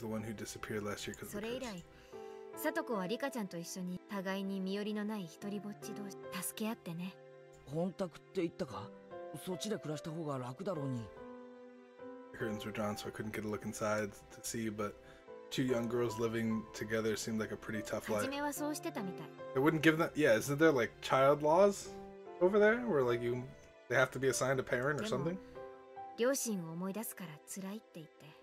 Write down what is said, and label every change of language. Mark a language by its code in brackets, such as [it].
[en] the one who disappeared last year because of the curse. [ja] Satoko はリカちゃんと一緒に互いに身寄りのない一人ぼっち同士助け合ってね。本宅って言ったか？そっちで暮らした方が楽だろうに。 [en] The curtains were drawn, so I couldn't get a look inside to see, but two young girls living together seemed like a pretty tough life. [ja] 初めはそうしてたみたい。 [en] They wouldn't give them. Yeah, isn't there like child laws over there where like you they have to be assigned a parent or something? [ja] でも、両親を思い出すから辛いって言って。